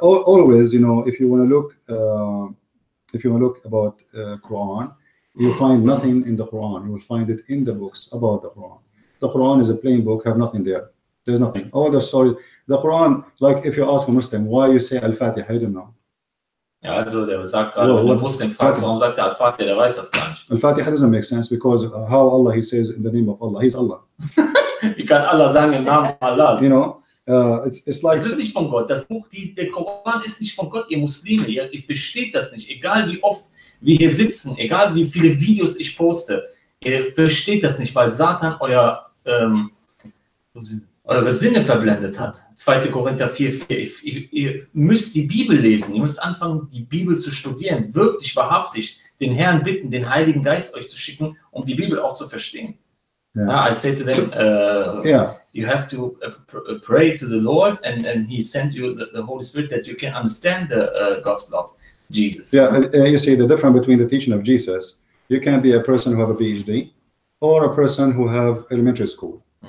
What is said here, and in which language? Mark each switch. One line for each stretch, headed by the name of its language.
English: Always, you know, if you want to look, if you look about Quran, you find nothing in the Quran. You will find it in the books about the Quran. The Quran is a plain book, have nothing there. There's nothing. All the stories, the Quran, like if you ask a Muslim, why you say Al-Fatiha, I don't know.
German: Ja, also der sagt gerade, well, wenn der Muslim fragt, warum sagt der Al-Fatiha, der weiß das gar nicht.
English: Al-Fatiha doesn't make sense, because how Allah, he says in the name of Allah, he's Allah.
German: Wie kann Allah sagen im Namen Allahs?
English: You know? It's like,
German: es ist nicht von Gott. Das Buch, der Koran ist nicht von Gott. Ihr Muslime, ihr versteht das nicht. Egal wie oft wir hier sitzen, egal wie viele Videos ich poste, ihr versteht das nicht, weil Satan eure Sinne verblendet hat. 2. Korinther 4,4. Ihr müsst die Bibel lesen. Ihr müsst anfangen, die Bibel zu studieren. Wirklich, wahrhaftig, den Herrn bitten, den Heiligen Geist euch zu schicken, um die Bibel auch zu verstehen.
English: Yeah. I say to them, you have to pray to the Lord, and he sent you the Holy Spirit that you can understand the gospel of Jesus. Yeah, you see, the difference between the teaching of Jesus, you can be a person who have a PhD or a person who have elementary school.